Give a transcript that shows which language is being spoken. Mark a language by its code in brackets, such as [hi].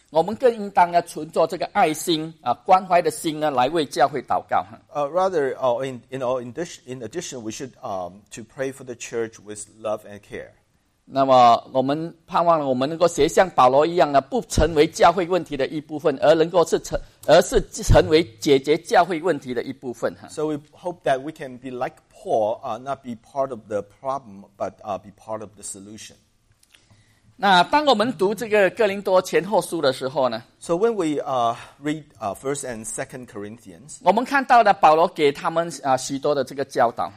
[zh] 我们更应当呢，存着这个爱心啊，关怀的心呢，来为教会祷告。 [en] Rather, in addition, we should to pray for the church with love and care. [zh] 那么，我们盼望我们能够学像保罗一样呢，不成为教会问题的一部分，而能够成为解决教会问题的一部分。 [en] So we hope that we can be like Paul, not be part of the problem, but be part of the solution. [zh] 那当我们读这个哥林多前后书的时候呢 [en] ？So when we read First and Second Corinthians, [zh] 我们看到的保罗给他们许多的这个教导。